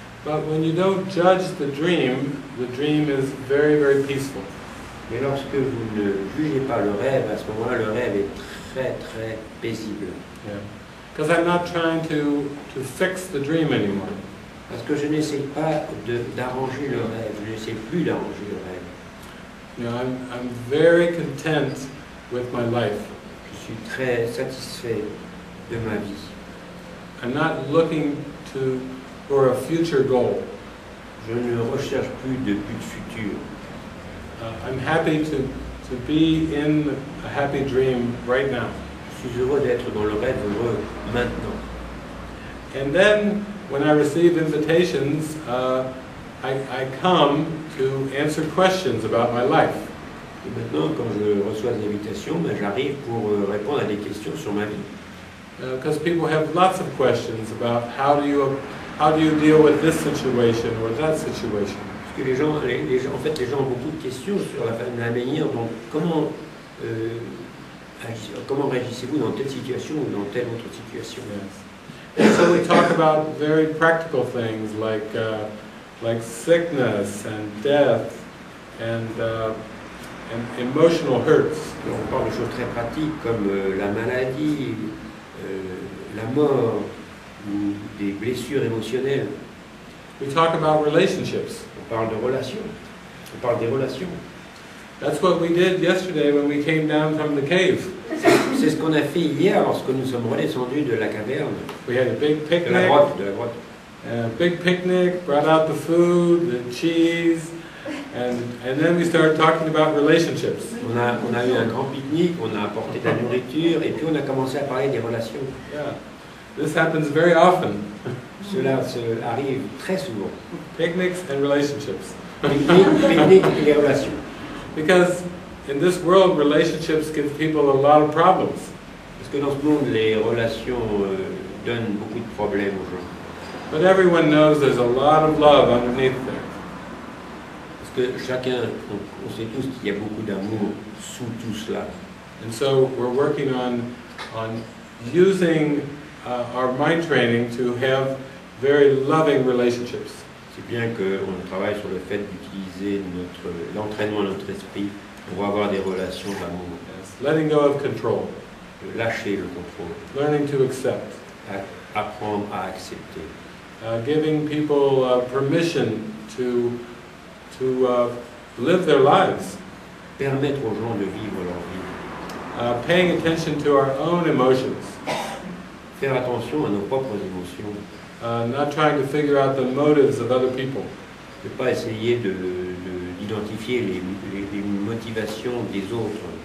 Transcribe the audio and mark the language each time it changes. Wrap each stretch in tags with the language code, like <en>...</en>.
<en>But when you don't judge the dream is very, very peaceful.</en> <fr>Mais lorsque vous ne jugez pas le rêve, à ce moment-là, le rêve est très, très paisible. Yeah.</fr> <en>Because I'm not trying to fix the dream anymore.</en> <fr>Parce que je n'essaie pas d'arranger le rêve, je n'essaie plus d'arranger le rêve.</fr> <en>You know, I'm very content with my life.</en> <fr>Je suis très satisfait de ma vie.</fr> <en>I'm not looking for a future goal.</en> <fr>Je ne recherche plus de but futur.</fr> <en>I'm happy to be in a happy dream right now.</en> <fr>Je suis heureux d'être dans le rêve heureux maintenant.</fr> <en>And then, when I receive invitations, I come to answer questions about my life.</en> <fr>Et maintenant, quand je reçois des invitations, ben, j'arrive pour répondre à des questions sur ma vie.</fr> <en>Because people have lots of questions about how do you deal with this situation or that situation.</en> <fr>Parce que les gens ont beaucoup de questions sur la manière dont comment réagissez-vous dans telle situation ou dans telle autre situation. Yes.</fr> <en>And so we talk about very practical things like sickness and death and emotional hurts.</en> <fr>Donc on parle de choses très pratiques comme la maladie, la mort ou des blessures émotionnelles.</fr> <en>We talk about relationships.</en> <fr>On parle de relations. On parle des relations.</fr> <en>That's what we did yesterday when we came down from the cave.</en> <fr>C'est ce qu'on a fait hier lorsque nous sommes redescendus de la caverne.</fr> <en>We had a big picnic.</en> <fr>De la grotte.</fr> <en>Big picnic, brought out the food, the cheese, and then we started talking about relationships.</en> <fr>On a eu un grand pique-nique, on a apporté de la nourriture, et puis on a commencé à parler des relations.</fr> <en>Yeah. This happens very often.</en> <fr>Cela se arrive très souvent.</fr> <en>Picnics and relationships.</en> <fr>Pique-nique et les relations.</fr> <en>Because in this world, relationships give people a lot of problems.</en> <fr>Parce que dans ce monde, les relations donnent beaucoup de problèmes aux gens.</fr> <en>But everyone knows there's a lot of love underneath there.</en> <fr>Parce que chacun, on sait tous qu'il y a beaucoup d'amour sous tout cela.</fr> <en>And so we're working on using our mind training to have very loving relationships.</en> <fr>C'est bien qu'on travaille sur le fait d'utiliser notre, l'entraînement de notre esprit pour avoir des relations d'amour.</fr> <en>Yes. Letting go of control.</en> <fr>Lâcher le contrôle.</fr> <en>Learning to accept.</en> <fr>Apprendre à accepter.</fr> <en>Giving people permission to live their lives.</en> <fr>Permettre aux gens de vivre leur vie.</fr> <en>Paying attention to our own emotions.</en> <fr>Faire attention à nos propres émotions.</fr> <en>Not trying to figure out the motives of other people.</en> <fr>De pas essayer d'identifier les motivations des autres.</fr>